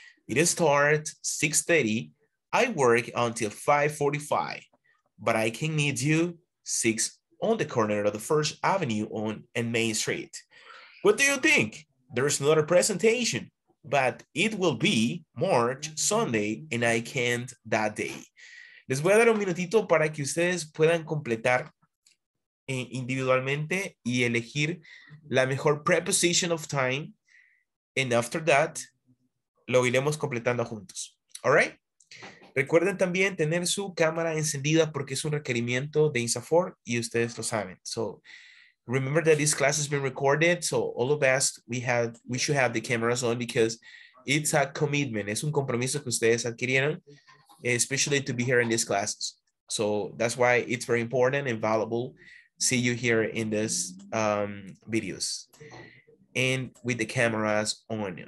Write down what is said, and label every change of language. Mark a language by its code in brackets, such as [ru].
[en] It starts 6:30. I work until 5:45, but I can meet you 6 on the corner of the First Avenue on and Main Street. What do you think? There's another presentation, but it will be March Sunday, and I can't that day. [es] Les voy a dar un minutito para que ustedes puedan completar individualmente y elegir la mejor preposition of time. [en] And after that, [es] lo iremos completando juntos. [en] All right? [es] Recuerden también tener su cámara encendida porque es un requerimiento de INSAFORP y ustedes lo saben. [en] So, remember that this class has been recorded. So, all the best. We should have the cameras on because it's a commitment. [es] Es un compromiso que ustedes adquirieron, [en] especially to be here in these classes. So that's why it's very important and valuable. See you here in this videos and with the cameras on.